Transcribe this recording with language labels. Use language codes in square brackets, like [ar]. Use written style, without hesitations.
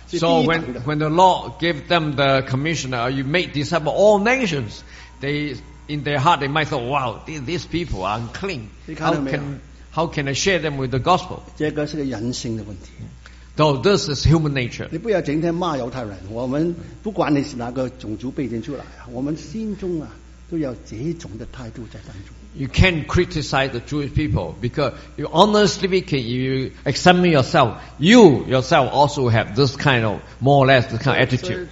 [en] So when the Lord gave them the commission, you make disciples all nations. They in their heart they might thought, wow, these people are unclean. How can I share them with the gospel? [zh] 这个是个人性的问题。 [en] So this is human nature. [zh] 你不要整天骂犹太人，我们不管你是哪个种族背景出来，我们心中啊都有这种的态度在当中。 [en] You can't criticize the Jewish people because you honestly speaking, if you examine yourself, you yourself also have this kind of, more or less, this kind of attitude.